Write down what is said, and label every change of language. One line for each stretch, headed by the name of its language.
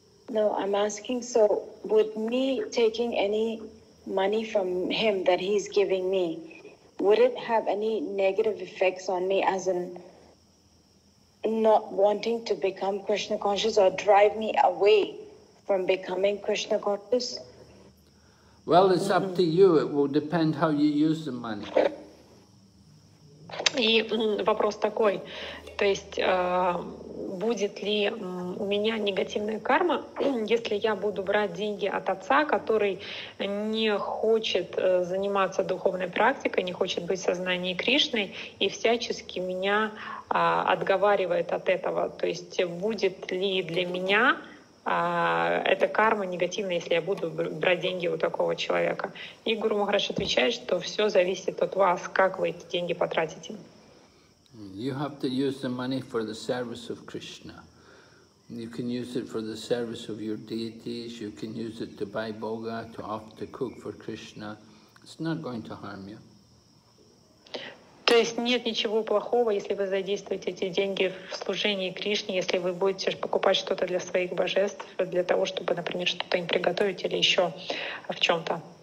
English: No, I'm asking, so would me taking any money from him that he's giving me, would it have any negative effects on me as in not wanting to become Krishna conscious or drive me away from becoming Krishna conscious? Well, it's up to you. It will depend how you use the money.
Russian: И вопрос такой, то есть будет ли у меня негативная карма, если я буду брать деньги от отца, который не хочет заниматься духовной практикой, не хочет быть в сознании Кришны и всячески меня отговаривает от этого. То есть будет ли для меня это карма негативная, если я буду брать деньги у такого человека. И Гуру Махарадж отвечает, что все зависит от вас, как вы эти деньги потратите.
English: You have to use the money for the service of Krishna. You can use it for the service of your deities, you can use it to buy boga, to offer to cook for Krishna. It's not going to harm you.
Russian: То есть нет ничего плохого, если вы задействуете эти деньги в служении Кришне, если вы будете покупать что-то для своих божеств, для того, чтобы, например, что-то им приготовить или еще в чем-то.